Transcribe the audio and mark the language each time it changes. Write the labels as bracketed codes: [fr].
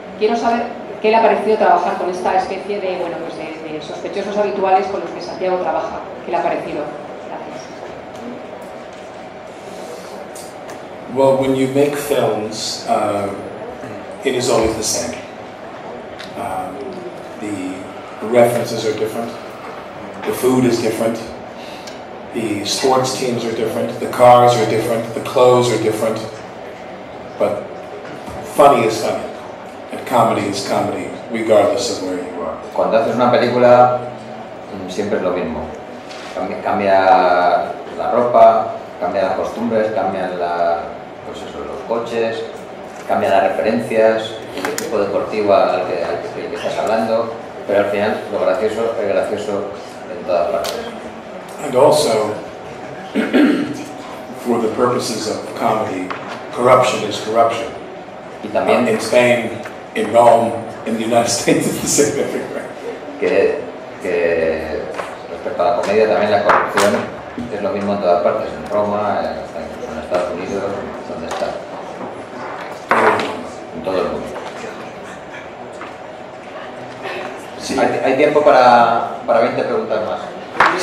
[es] Quiero saber qué le ha parecido trabajar con esta especie de, bueno, pues de sospechosos habituales con los que Santiago trabaja. ¿Qué le ha parecido? [en] Well, when you make films, it is always the same. The references are different. The food is different. The sports teams are different. The cars are different. The clothes are different. But funny is funny. And comedy is comedy, regardless of where you are. [es] Cuando haces una película, siempre es lo mismo. Cambia la ropa, cambia las costumbres, cambia la... Pues eso, los coches, cambia las referencias, el equipo deportivo al que estás hablando, pero al final lo gracioso es gracioso en todas partes. [en] And also, for the purposes of comedy, corruption is corruption. [es] Y también [en] in Spain, in Rome, in the United States, it's the same everywhere. [es] Que respecto a la comedia, también la corrupción es lo mismo en todas partes, en Roma, en Estados Unidos, donde está. En todo el mundo. Sí. ¿Hay tiempo para 20 preguntas más?